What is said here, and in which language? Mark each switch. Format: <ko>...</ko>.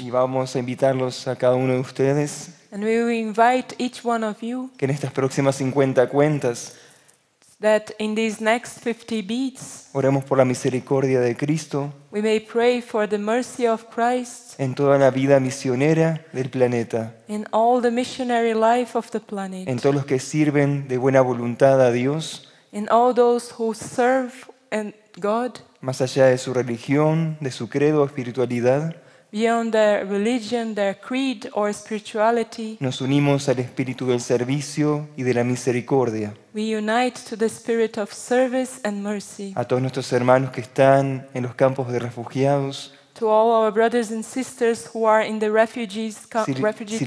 <es>Y vamos a invitarlos a cada uno de ustedes.</es> <en>And we will invite each one of you.</en> <es>Que en estas próximas 50 cuentas.</es> <en>That in these next 50 beats.</en> <es>Oremos por la misericordia de Cristo.</es> <en>We may pray for the mercy of Christ.</en> <es>En toda la vida misionera del planeta.</es> <en>In all the missionary life of the planet.</en> <es>En todos los que sirven de buena voluntad a Dios.</es> <en>In all those who serve and God,</en> <es>más allá de su religión, de su credo o espiritualidad,</es> <en>beyond their religion, their creed or spirituality,</en> <es>nos unimos al espíritu del servicio y de la misericordia.</es> <en>We unite to the spirit of service and mercy.</en> <es>A todos nuestros hermanos que están en los campos de refugiados,</es> <en>to all our brothers and sisters who are in the refugees refugee camps,</en>